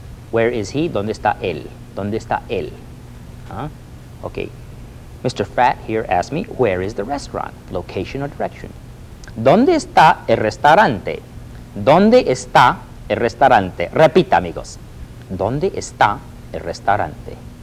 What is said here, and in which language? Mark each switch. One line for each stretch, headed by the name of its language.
English: Where is he?
Spanish: ¿Dónde está él? ¿Dónde está él? Huh? Okay.
English: Mr. Fat here asked me, where is the restaurant? Location or direction?
Spanish: ¿Dónde está el restaurante? ¿Dónde está el restaurante? Repita, amigos. ¿Dónde está el restaurante?